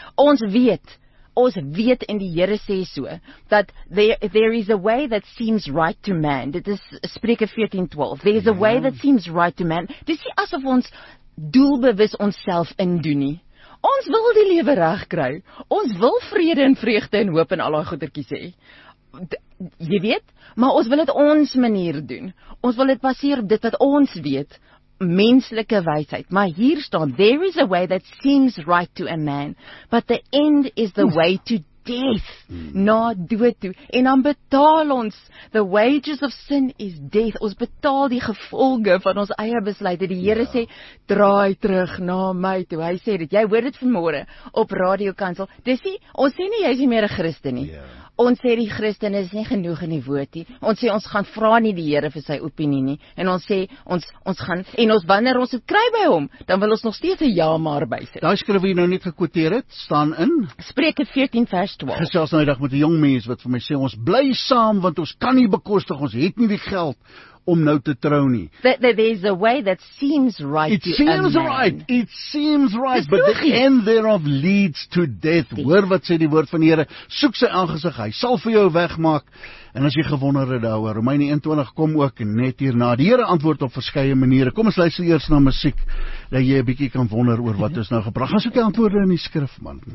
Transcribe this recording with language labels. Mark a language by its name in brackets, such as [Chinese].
[Afrikaans] Ons weet in die Here sê so, dat [English] there is a way that seems right to man. [Afrikaans] Dit is Spreuke 14:12. [English] There is a way that seems right to man. [Afrikaans] Dit is asof ons doelbewus onsself indoen nie. Ons wil die lewe reg kry. Ons wil vrede en vreugde en hoop en al daai goedertjies hê. Jy weet, maar ons wil dit ons manier doen. Ons wil dit baseer op dit wat ons weet. Menslike wysheid, maar hier staan, [English] there is a way that seems right to a man, but the end is the way to death, [Afrikaans] na dood toe, en dan betaal ons, [English] the wages of sin is death, [Afrikaans] ons betaal die gevolge van ons eie besluit, die Here sê, draai terug na my toe, hy sê dit, jy hoor dit vanmôre op Radio Kansel, dis nie, ons sê nie, jy is nie meer 'n Christen nie, yeah. Ons sê die Christen is nie genoeg in die woord nie. Ons sê ons gaan vra nie die Here vir sy opinie nie. En ons sê ons gaan, en ons wanneer ons het kry by hom, dan wil ons nog steeds 'n ja maar bysit. Daai skrif wat jy nou net gekwoteer het, staan in Spreuke 14 vers 12. Gesels nou dag met 'n jong mens wat vir my sê ons bly saam want ons kan nie bekostig, ons het nie die geld om nou te trou nie. [English] There's a way that seems right. It seems right, but the end thereof leads to death. [Afrikaans] Hoor wat sê die woord van die Here, soek sy aangesig, hy sal vir jou wegmaak. En as jy gewonder het daaroor, Romeine 1:20 kom ook net hierna. Die Here antwoord op verskeie maniere. Kom ons luister eers na musiek, dat jy 'n bietjie kan wonder oor wat ons nou gepraat. Gaan soek die antwoorde in die skrif, man.